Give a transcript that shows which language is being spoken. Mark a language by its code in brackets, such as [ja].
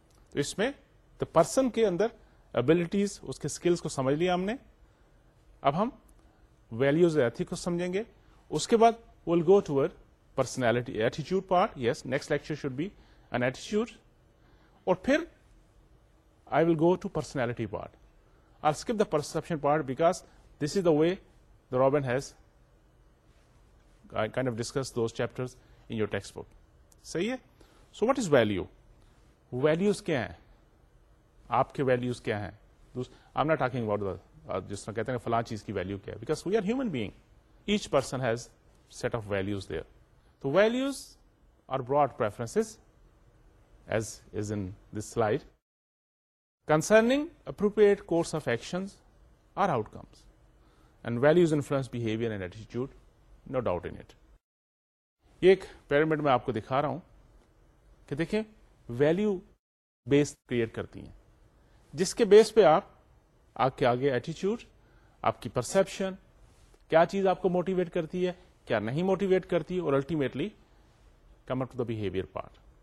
[ur] تو اس میں the person کے اندر ابلٹیز, اس کے اسکلس کو سمجھ لیا ہم نے. اب ہم ویلوز ایتھک کو سمجھیں گے, اس کے بعد [en] Will go toward personality ایٹیچیوڈ part. Yes next lecture should be N ایٹیچیوڈ. [ur] اور پھر [en] I will go to personality part. I'll skip the perception part because this is the way the Robin has kind of discussed those chapters in your textbook. [ur] Sahi hai? [en] So what is value? [ur] Values kya hai? Aapke values kya hai? [en] I'm not talking about the, [ur] jis tarah kehte hain falan cheez ki value kya hai, [en] because we are human being. Each person has set of values there. The values are broad preferences, as is in this slide. Concerning appropriate course of actions or outcomes. And values influence behavior and attitude, no doubt in it. [ur] ایک pyramid میں آپ کو دکھا رہا ہوں کہ دیکھیں value base create کرتی ہیں, جس کے بیس پہ آپ کے آگے ایٹیچیوڈ, آپ کی پرسپشن, کیا چیز آپ کو موٹیویٹ کرتی ہے, کیا نہیں موٹیویٹ کرتی, اور ultimately [en] Come up to the behaviour part.